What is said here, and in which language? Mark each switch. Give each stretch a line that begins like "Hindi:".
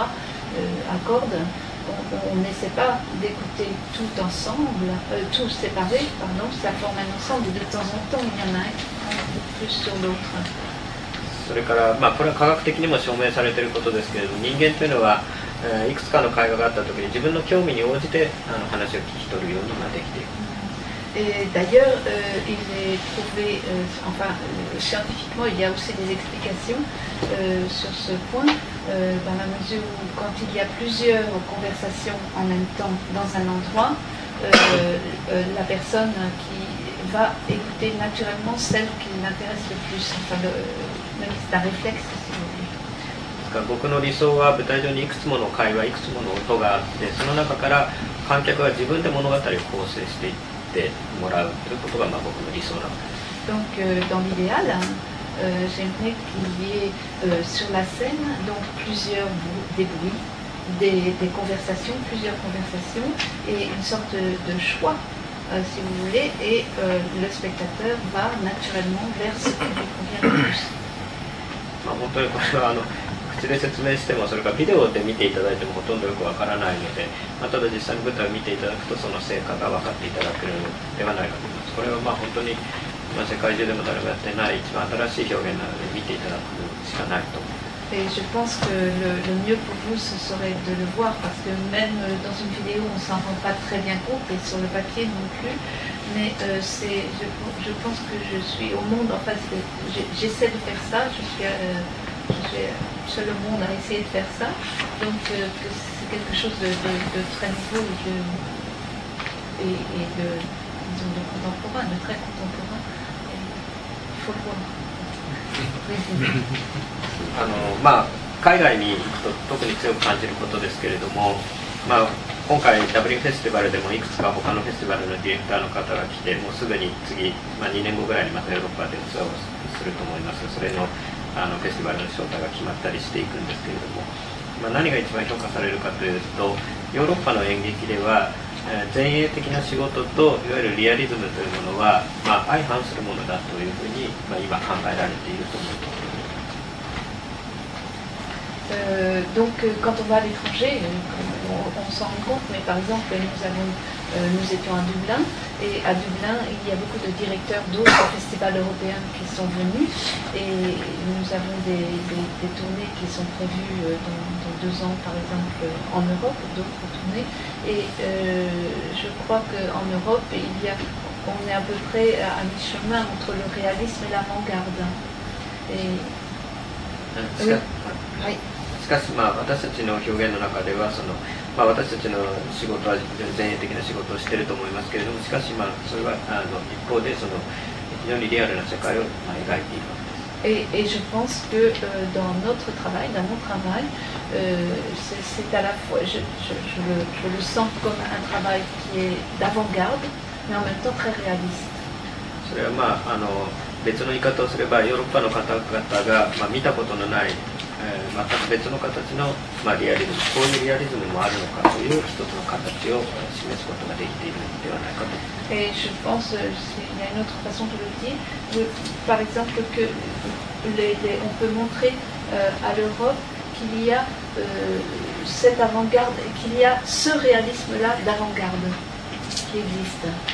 French: À cordes, on n'essaie pas d'écouter tout ensemble, tout séparé, pardon, ça forme un ensemble de temps en temps, il y en a un plus sur l'autre.
Japanese: それから、まあ、これは科学的にも証明されていることですけれども、人間というのは、いくつかの会話があったときに自分の興味に応じて話を聞き取るようにできている。
French: D'ailleurs, il est prouvé, enfin, scientifiquement, il y a aussi des explications sur ce point, dans la mesure où quand il y a plusieurs conversations en même temps dans un endroit, la personne qui va écouter naturellement celle qui l'intéresse le plus, enfin, même c'est un réflexe, si vous voulez.
Japanese: 僕の理想は舞台上にいくつもの会話、いくつもの音があって、その中から観客は自分で物語を構成していってもらうということがまあ僕の理想なわけです。
French: Donc, dans l'idéal, j'aimerais qu'il y ait sur la scène donc plusieurs bruits, des conversations, plusieurs conversations et une sorte de choix, si vous voulez, et le spectateur va naturellement vers ce qui lui convient le plus.
Japanese: 本当にこれは口で説明してもそれかビデオで見ていただいてもほとんどよくわからないので、まあ、ただ実際に舞台を見ていただくとその成果が分かっていただけるのではないかと思います。これはまあ本当に、まあ、世界中でも誰もやってない一番新しい表現なので見ていただくしかないと思います。
French: Et je pense que le mieux pour vous, ce serait de le voir, parce que même dans une vidéo, on ne s'en rend pas très bien compte, et sur le papier non plus. Mais c'est, je pense que je suis au monde, en fait, j'essaie de faire ça, je suis seul au monde à essayer de faire ça. Donc que c'est quelque chose de très nouveau et de contemporain, de très contemporain. Il faut le voir.
Japanese: あのまあ、海外に行くと特に強く感じることですけれども、まあ、今回ダブリンフェスティバルでもいくつか他のフェスティバルのディレクターの方が来て、もうすぐに次、まあ、2年後ぐらいにまたヨーロッパでツアーをすると思います。それ の, あのフェスティバルの招待が決まったりしていくんですけれども、まあ、何が一番評価されるかというと、ヨーロッパの演劇では、前衛的な仕事といわゆるリアリズムというものは、まあ、相反するものだというふうに、まあ、今考えられていると思います。
French: Donc quand on va à l'étranger, on s'en rend compte, mais par exemple nous étions à Dublin, et à Dublin il y a beaucoup de directeurs d'autres festivals européens qui sont venus, et nous avons des tournées qui sont prévues dans deux ans par exemple en Europe, d'autres tournées, et je crois qu'en Europe on est à peu près à mi-chemin entre le réalisme et l'avant-garde. Et,
Japanese: しかし、まあ、私たちの表現の中ではその、まあ、私たちの仕事は前衛的な仕事をしていると思いますけれども、しかし、まあ、それはあの一方でその非常にリアルな世界を、まあ、描いているわけです。
French: Et je pense que dans notre travail, dans mon travail, c'est à la fois, je le sens comme un travail qui est d'avant-garde, mais en même temps très réaliste.
Japanese: それは、まあ、あの別の言い方をすれば、ヨーロッパの方々が、まあ、見たことのない全く別の形の、まあ、リアリズム、こういうリアリズムもあるのかという一つの形を示すことができているのではないかと。
French: え、je pense qu'il y a une autre façon de le dire. Par exemple, que on peut montrer à l'Europe qu'il y a cette avant-garde, qu'il y a ce réalisme-là d'avant-garde qui existe.